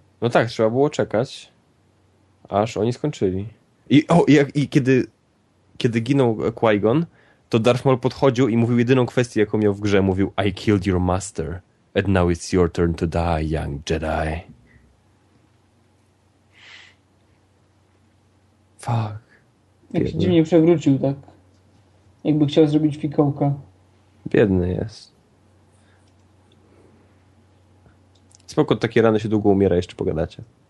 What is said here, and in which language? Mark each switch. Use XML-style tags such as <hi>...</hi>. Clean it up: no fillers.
<pl>No tak, trzeba było czekać, aż oni skończyli. I kiedy ginął Qui-Gon, to Darth Maul podchodził i mówił jedyną kwestię, jaką miał w grze. Mówił,</pl> <en>I killed your master, and now it's your turn to die, young Jedi. Fuck.</en> <pl>Jak się dziwnie przewrócił, tak? Jakby chciał zrobić fikołka. Biedny jest. Spoko, takie rany się długo umiera, jeszcze pogadacie.</pl>